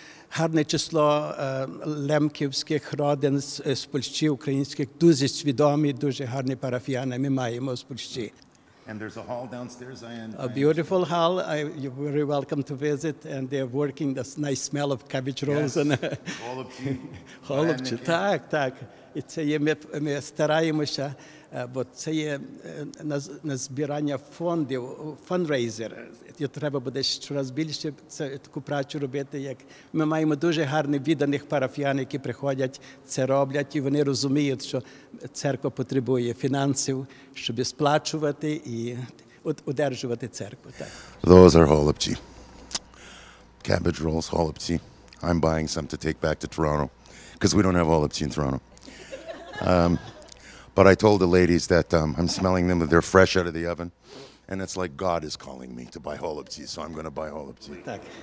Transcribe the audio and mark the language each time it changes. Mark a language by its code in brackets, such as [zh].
[uk] Гарне число лемківських родин з Польщі, українських, дуже свідомі, дуже гарні парафіяни ми маємо з Польщі. [en] And there's a hall downstairs. A beautiful hall. You're very welcome to visit. And they're working this nice smell of cabbage rolls. Yes. And all of you. [uk] Так, так. І це є, ми стараємося, бо це є на збирання фондів, фундрейзер. Я треба буде щораз більше таку працю робити. Як ми маємо дуже гарних відданих парафіян, які приходять, це роблять, і вони розуміють, що церква потребує фінансів, щоб сплачувати і одержувати церкву. Так. [en] Those are holopchi. cabbage rolls, holubtsi. I'm buying some to take back to Toronto, because we don't have holubtsi in Toronto. But I told the ladies that I'm smelling them, that they're fresh out of the oven. And it's like God is calling me to buy holubtsi, so I'm going to buy holubtsi.